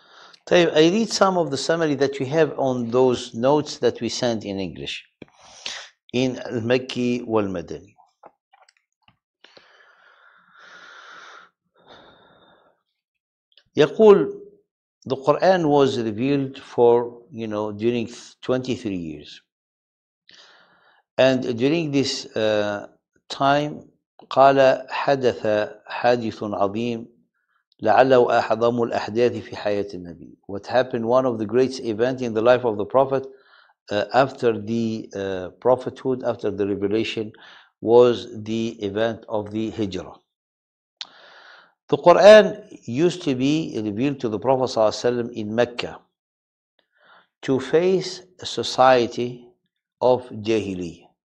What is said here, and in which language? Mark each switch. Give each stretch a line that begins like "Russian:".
English: Allah. طيب, I read some of the summary that you have on those notes that we sent in English. In Al-Makki wal-Madani. يقول, the Quran was revealed for, you know, during 23 years. And during this time,
Arabic: قال حدث حادث عظيم لعله أعظم الأحداث في حياة النبي.
English: What happened, one of the greatest events in the life of the Prophet after the prophethood, after the revelation, was the event of the Hijrah. The Quran used to be revealed to the Prophet ﷺ in Mecca to face a society of Jahiliyyah.